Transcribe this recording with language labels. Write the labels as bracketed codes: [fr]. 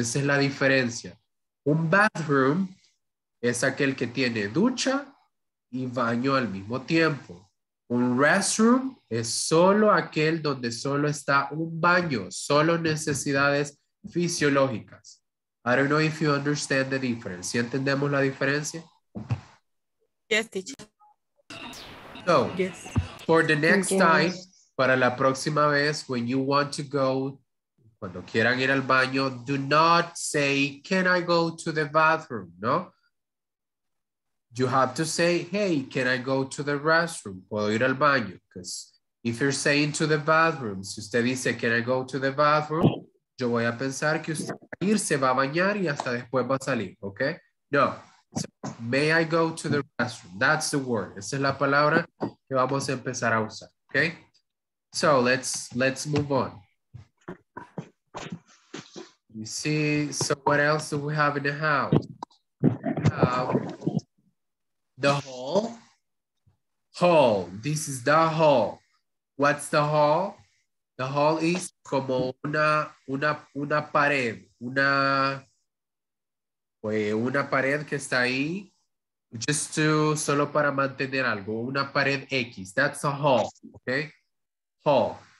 [es] Esa es la diferencia. Un bathroom es aquel que tiene ducha y baño al mismo tiempo. Un restroom es solo aquel donde solo está un baño, solo necesidades fisiológicas. [en] I don't know if you understand the difference. [es] ¿Sí entendemos la diferencia? [en] Yes, teacher. So, yes. For the next time, [es] para la próxima vez, [en] when you want to go, [es] cuando quieran ir al baño, [en] do not say, can I go to the bathroom, no? You have to say, hey, can I go to the restroom? [es] ¿Puedo ir al baño? [en] Because if you're saying to the bathroom, [es] si usted dice, [en] can I go to the bathroom? [es] Yo voy a pensar que usted va a ir, se va a bañar y hasta después va a salir, okay? No. [en] So, may I go to the restroom? That's the word. [es] Esa es la palabra que vamos a empezar a usar, [en] okay? So let's move on. You see, so what else do we have in the house? We have the hall. Hall, this is the hall. What's the hall? The hall is [es] como una pared, una pared que está ahí, [en] just to, [es] solo para mantener algo, una pared X, [en] that's a hall, [es] okay? Hall.